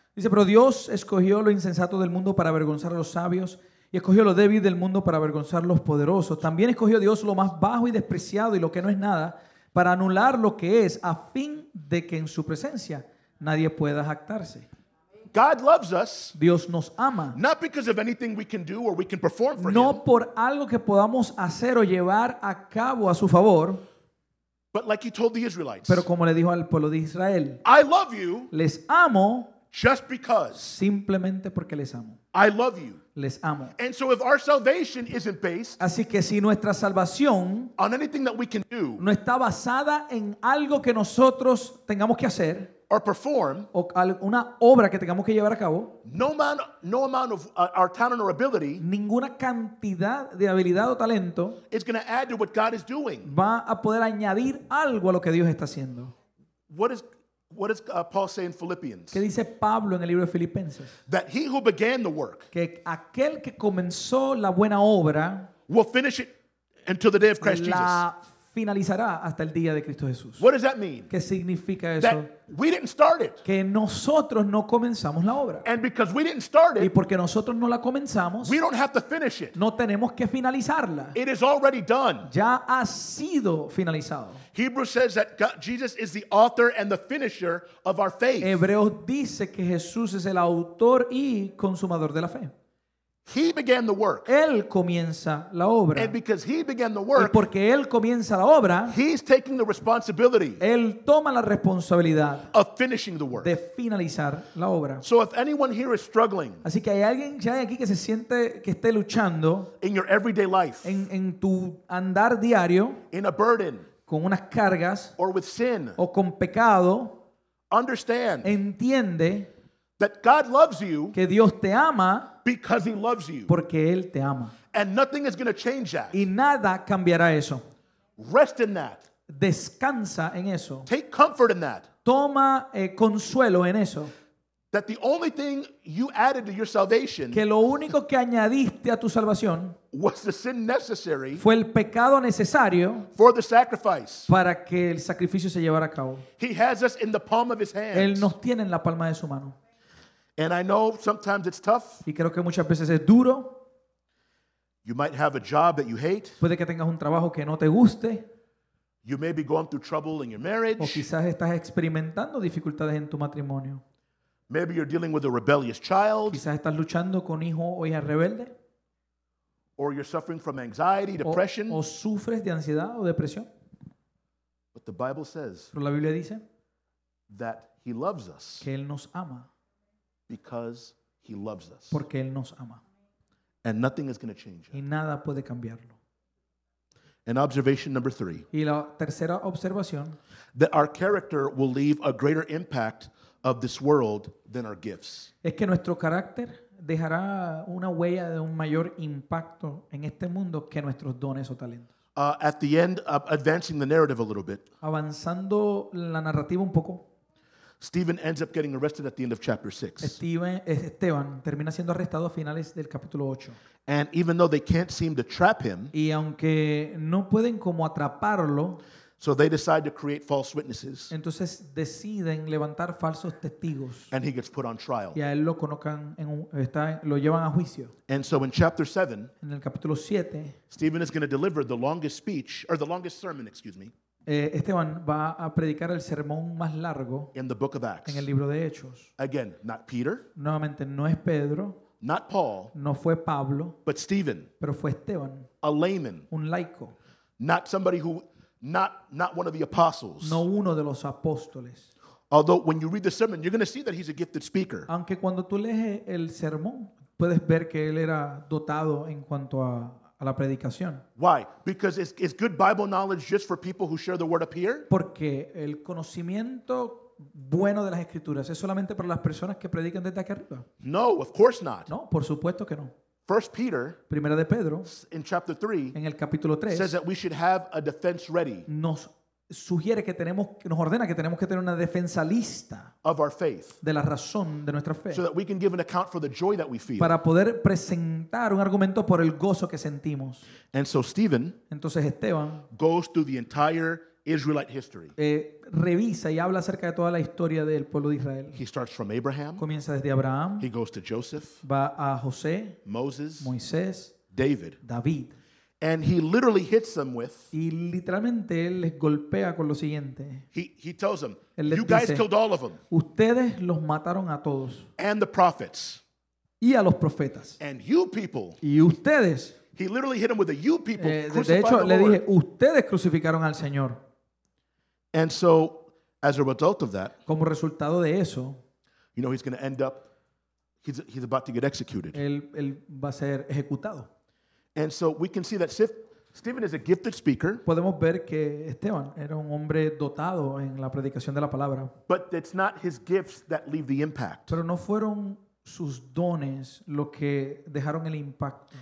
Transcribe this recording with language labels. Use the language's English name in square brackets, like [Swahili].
[Spanish] Dice, pero Dios escogió lo insensato del mundo para avergonzar a los sabios, y escogió lo débil del mundo para avergonzar a los poderosos. También escogió Dios lo más bajo y despreciado y lo que no es nada para anular lo que es, a fin de que en su presencia nadie pueda jactarse. [English] God loves us. [Spanish] Dios nos ama. [English] Not because of anything we can do or we can perform for him. [Spanish] No por algo que podamos hacer o llevar a cabo a su favor. [English] But like he told the Israelites. [Spanish] Pero como le dijo al pueblo de Israel. [English] I love you. [Spanish] Les amo. [English] Just because. [Spanish] Simplemente porque les amo. [English] I love you. [Spanish] Les amo. [English] And so if our salvation isn't based. [Spanish] Así que si nuestra salvación. [English] On anything that we can do. [Spanish] No está basada en algo que nosotros tengamos que hacer. [English] Or perform, [Spanish] o una obra que tengamos que llevar a cabo, [English] no amount of our talent or ability, [Spanish] ninguna cantidad de habilidad o talento, [English] is going to add to what God is doing. [Spanish] Va a poder añadir algo a lo que Dios está haciendo. [English] What does Paul say in Philippians? [Spanish] ¿Qué dice Pablo en el libro de Filipenses? [English] That he who began the work, [Spanish] que aquel que comenzó la buena obra, [English] will finish it until the day of Christ [Spanish] la [English] Jesus. [Spanish] Finalizará hasta el día de Cristo Jesús. [English] What does that mean? [Spanish] ¿Qué significa eso? [English] That we didn't start it. [Spanish] Que nosotros no comenzamos la obra. [English] And because we didn't start it, [Spanish] y porque nosotros no la comenzamos, [English] we don't have to finish it. [Spanish] No tenemos que finalizarla. [English] It is already done. [Spanish] Ya ha sido finalizado. [English] Hebrews says that God, Jesus is the author and the finisher of our faith. [Spanish] Hebreos dice que Jesús es el autor y consumador de la fe. [English] He began the work. [Spanish] Él comienza la obra. [English] And because he began the work, [Spanish] y porque él comienza la obra, [English] he's taking the responsibility. [Spanish] Él toma la responsabilidad [English] of finishing the work. [Spanish] De finalizar la obra. [English] So if anyone here is struggling, [Spanish] así que hay alguien ya aquí que se siente que esté luchando [English] in your everyday life, [Spanish] en tu andar diario, [English] in a burden, [Spanish] con unas cargas, [English] or with sin, [Spanish] o con pecado, [English] understand, [Spanish] entiende, [English] that God loves you, [Spanish] que Dios te ama, [English] because He loves you, [Spanish] porque Él te ama, [English] and nothing is going to change that, [Spanish] y nada cambiará eso. [English] Rest in that. [Spanish] Descansa en eso. [English] Take comfort in that. [Spanish] Toma consuelo en eso. [English] That the only thing you added to your salvation, [Spanish] que lo único que añadiste a tu salvación, [English] was the sin necessary, [Spanish] fue el pecado necesario, [English] for the sacrifice, [Spanish] para que el sacrificio se llevara a cabo. [English] He has us in the palm of His hands. [Spanish] Él nos tiene en la palma de su mano. [English] And I know sometimes it's tough. [Spanish] Y creo que muchas veces es duro. [English] You might have a job that you hate. [Spanish] Puede que tengas un trabajo que no te guste. [English] You may be going through trouble in your marriage. [Spanish] O quizás estás experimentando dificultades en tu matrimonio. [English] Maybe you're dealing with a rebellious child. [Spanish] Quizás estás luchando con hijo o hija rebelde. [English] Or you're suffering from anxiety, depression. [Spanish] O sufres de ansiedad o depresión. [English] But the Bible says, [Spanish] pero la Biblia dice, [English] that He loves us. [Spanish] Que Él nos ama. [English] Because He loves us. [Spanish] Porque Él nos ama. [English] And nothing is going to change. [Spanish] Y nada puede cambiarlo. [English] And observation number 3. [Spanish] Y la tercera observación. [English] That our character will leave a greater impact of this world than our gifts. [Spanish] Es que nuestro carácter dejará una huella de un mayor impacto en este mundo que nuestros dones o talentos. [English] At the end, advancing the narrative a little bit. [Spanish] Avanzando la narrativa un poco. [English] Stephen ends up getting arrested at the end of chapter 6. [Spanish] Esteban termina siendo arrestado a finales del capítulo 8. [English] And even though they can't seem to trap him, [Spanish] y aunque no pueden como atraparlo, [English] so they decide to create false witnesses. [Spanish] Entonces deciden levantar falsos testigos. [English] And he gets put on trial. [Spanish] Y a él lo colocan en un, está, lo llevan a juicio. [English] And so in chapter 7, [Spanish] en el capítulo 7, [English] Stephen is going to deliver the longest speech, or the longest sermon, excuse me. [Spanish] Esteban va a predicar el sermón más largo [English] in the book of Acts. [Spanish] En el libro de Hechos. [English] Again, not Peter. [Spanish] Nuevamente, no es Pedro. [English] Not Paul. [Spanish] No fue Pablo. [English] But Stephen. [Spanish] Pero fue Esteban. [English] A layman. [Spanish] Un laico. [English] Not somebody who, not one of the apostles. [Spanish] No uno de los apóstoles. [English] Although when you read the sermon, you're going to see that he's a gifted speaker. [Spanish] Aunque cuando tú lees el sermón, puedes ver que él era dotado en cuanto a la predicación. [English] Why? Because it's good Bible knowledge just for people who share the word up here? [Spanish] Porque el conocimiento bueno de las escrituras es solamente para las personas que predican desde aquí arriba. [English] No, of course not. [Spanish] No, por supuesto que no. [English] First Peter, [Spanish] Primera de Pedro, [English] in chapter 3, [Spanish] en el capítulo 3, [English] says that we should have a defense ready. [Spanish] Nos sugiere que tenemos, nos ordena que tenemos que tener una defensa lista [English] of our faith, [Spanish] de la razón de nuestra fe, [English] so that we can give an account for the joy that we feel, [Spanish] para poder presentar un argumento por el gozo que sentimos. [English] And so Stephen, [Spanish] entonces Esteban, [English] goes through the entire Israelite history. [Spanish] Revisa y habla acerca de toda la historia del pueblo de Israel. [English] He starts from Abraham, [Spanish] comienza desde Abraham, [English] he goes to Joseph, [Spanish] va a José, [English] Moses, [Spanish] Moisés, [English] David, [Spanish] David. [English] And he literally hits them with. [Spanish] Y literalmente él les golpea con lo siguiente. [English] He tells them, "You guys killed all of them." [Spanish] Ustedes los mataron a todos. [English] And the prophets. [Spanish] Y a los profetas. [English] And you people. [Spanish] Y ustedes. [English] He literally hit them with the "you people." [Spanish] De hecho, [English] the [Spanish] le [English] Lord. [Spanish] Dije, "Ustedes crucificaron al Señor." [English] And so, as a result of that. [Spanish] Como resultado de eso. [English] You know, he's going to end up. He's about to get executed. [Spanish] Él va a ser ejecutado. [English] And so we can see that Stephen is a gifted speaker. [Spanish] Podemos ver que Esteban era un hombre dotado en la predicación de la palabra. [English] But it's not his gifts that leave the impact. [Spanish] Pero no fueron sus dones lo que dejaron el impacto.